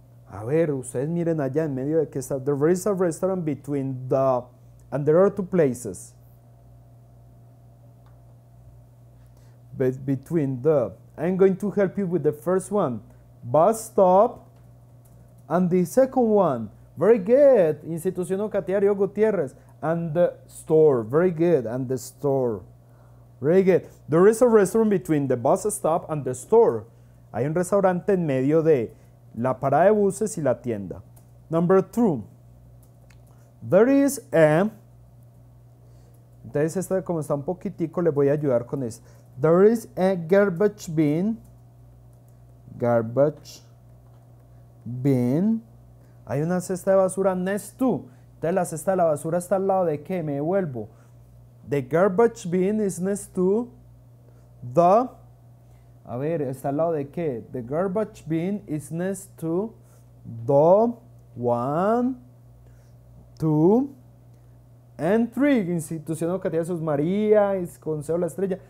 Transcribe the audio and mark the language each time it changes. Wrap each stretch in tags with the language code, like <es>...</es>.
<es>A ver, ustedes miren allá en medio de que está.</es> <en>There is a restaurant between the, and there are two places. Between the, I'm going to help you with the first one, bus stop, and the second one, very good, institución Ocatiario Gutiérrez, and the store, very good, and the store, very good. There is a restaurant between the bus stop and the store.</en> <es>Hay un restaurante en medio de la parada de buses y la tienda.</es> <en>Number two, there is a,</en> <es>entonces esta como está un poquitico, le voy a ayudar con esto.</es> <en>There is a garbage bin. Garbage bin.</en> <es>Hay una cesta de basura</es> <en>next to.</en> <es>Entonces la cesta de la basura está al lado de qué? Me devuelvo.</es> <en>The garbage bin is next to the.</en> <es>A ver, está al lado de qué?</es> <en>The garbage bin is next to the one, two, and three.</en> <es>Institución Educativa Jesús María, Consejo de la Estrella.</es>